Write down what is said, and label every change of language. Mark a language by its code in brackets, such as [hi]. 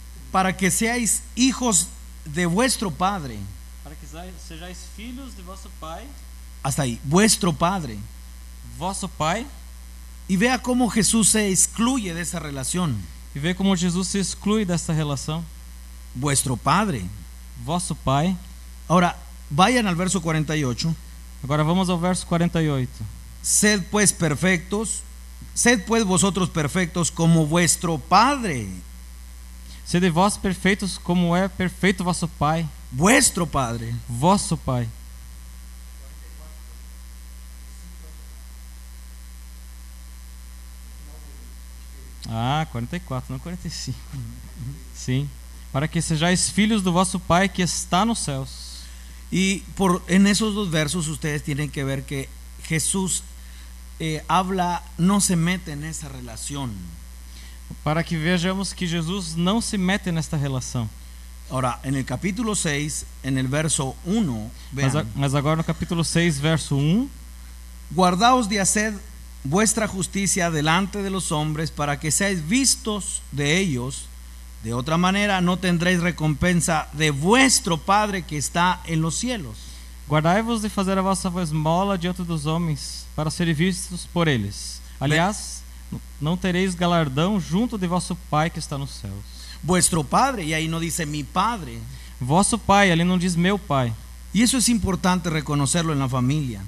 [es] Para que seáis hijos de vuestro padre. [pt] Para que sejais filhos de vosso pai. [es] Hasta ahí, vuestro padre. [pt] Vosso pai. [es] Y vea cómo Jesús se excluye de esa relación. [pt] E vê como Jesus se exclui dessa relação. [es] Vuestro padre. [pt] Vosso pai. [es] Agora, vayan al verso 48. [pt] Agora vamos ao verso 48. [es] Sed pues perfectos. Sed pues vosotros perfectos como vuestro padre. [pt] Sede vós perfeitos como é perfeito vosso pai. [es] Vuestro padre. [pt] Vosso pai. Ah, 44, não 45. Sim. Para que sejais filhos do vosso pai que está nos céus. [es] Y por en esos dos versos ustedes tienen que ver que Jesús habla, no se mete en esa relación. Para que vejamos que Jesús no se mete en esta relación. Ahora, en el capítulo 6, en el verso 1, [pt] vean. Mas agora no capítulo 6, verso 1, [es] guardaos de hacer vuestra justicia delante de los hombres para que seáis vistos de ellos. De otra manera no tendréis recompensa de vuestro Padre que está en los cielos. [pt] Guardai-vos de fazer a vossa esmola diante dos homens para ser vistos por eles. Aliás, não tereis galardão junto de vosso Pai que está nos céus. [es] Vuestro Padre, [pt] e aí não diz [es] mi Padre. [pt] Vosso Pai, ali não diz meu Pai. E isso é importante reconhecê-lo na família.